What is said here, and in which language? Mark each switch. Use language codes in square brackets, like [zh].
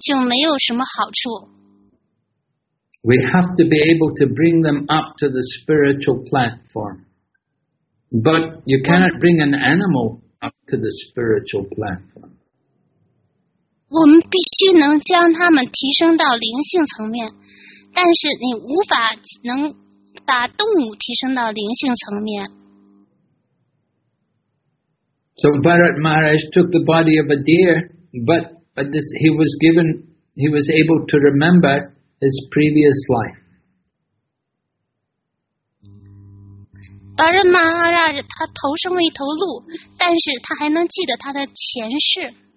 [zh] 如果不能在灵性层面上提升这些生物体，那么就没有什么好处。 [en] We have to be able to bring them up to the spiritual platform. But you cannot bring an animal up to the spiritual platform. [zh] 我们必须能将它们提升到灵性层面，但是你无法能把动物提升到灵性层面。 [en] So Bharat Maharaj took the body of a deer, but he was able to remember his previous life. [zh] Bharat Maharaj 他投生为一头鹿，但是他还能记得他的前世。